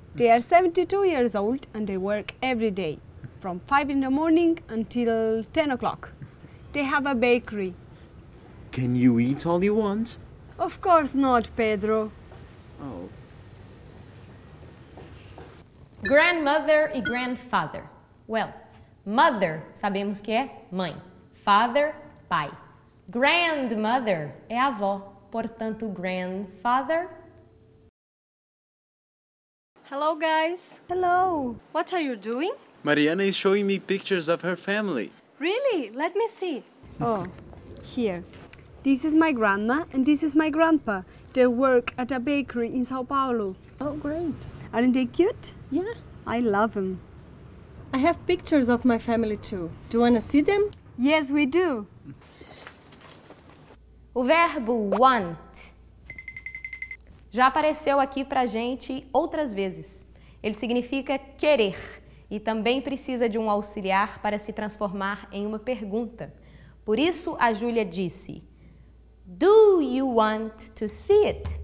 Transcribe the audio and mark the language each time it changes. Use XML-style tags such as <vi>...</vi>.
<en>They are 72 years old and they work every day, from 5 in the morning until 10 o'clock. They have a bakery. Can you eat all you want? Of course not, Pedro. Oh. Grandmother</en> <pt>e</pt> <en>grandfather.</en> <pt>Well, mother, sabemos que é mãe. Father, pai. Grandmother é avó. Portanto, grandfather.</pt> <en>Hello, guys. Hello. What are you doing? Mariana is showing me pictures of her family. Really? Let me see. Oh, here. This is my grandma and this is my grandpa. They work at a bakery in Sao Paulo. Oh, great. Aren't they cute? Yeah. I love them. I have pictures of my family too. Do you want to see them? Yes, we do.</en> <pt>O verbo want já apareceu aqui pra gente outras vezes. Ele significa querer e também precisa de um auxiliar para se transformar em uma pergunta. Por isso, a Júlia disse:</pt> <en>Do you want to see it?</en>